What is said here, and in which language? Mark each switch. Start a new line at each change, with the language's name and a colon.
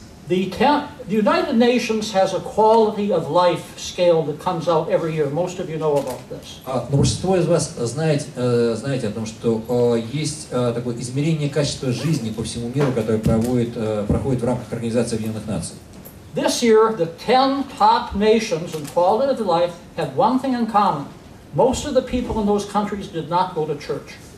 English: The United Nations has a quality of life scale that comes out every year. Most of you know about this.
Russian: Большинство из вас знаете о том, что есть такое измерение качества жизни по всему миру, которое проходит в рамках Организации Объединенных Наций.
English: This year, the 10 top nations in quality of life had one thing in common. Most of the people in those countries did not go to church.